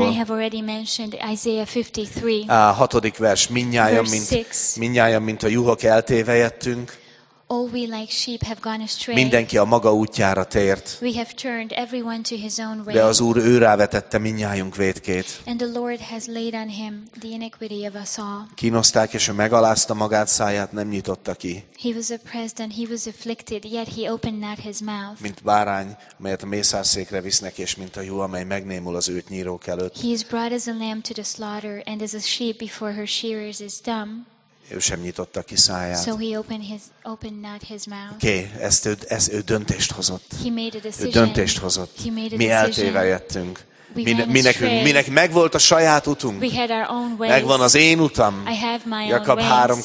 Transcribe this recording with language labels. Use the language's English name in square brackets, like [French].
[English] And I have already mentioned Isaiah 53. [Hungarian] A hatodik vers. Mindnyájan, mint a juhok eltévejettünk. [English] All we like sheep have gone astray. [Hungarian] Mindenki a maga útjára tért. [English] We have turned everyone to his own way. [Hungarian] De az Úr őrá vetette mindnyájunk vétkét. [English] And the Lord has laid on him the iniquity of us all. [Hungarian] Kínoszták és ő megalázta magát, száját nem nyitotta ki. [English] He was oppressed and he was afflicted, yet he opened not his mouth. [Hungarian] Mint bárány, melyet a mészárszékre visznek, és mint a juh, amely megnémul az őt nyírók előtt. [English] He is brought as a lamb to the slaughter and as a sheep before her shearers is dumb. [Hungarian] Ő sem nyitotta ki száját. [English] So he opened not his mouth. [Hungarian] Okay, ő döntést hozott. [English] He made a decision. [Hungarian] Ő döntést hozott. [English] He made a [Hungarian] mi eltévejettünk. Minek megvolt a saját utunk. [English] We had our own ways. [Hungarian] Megvan az én utam. [English] I have my [Hungarian] Jakab [English] own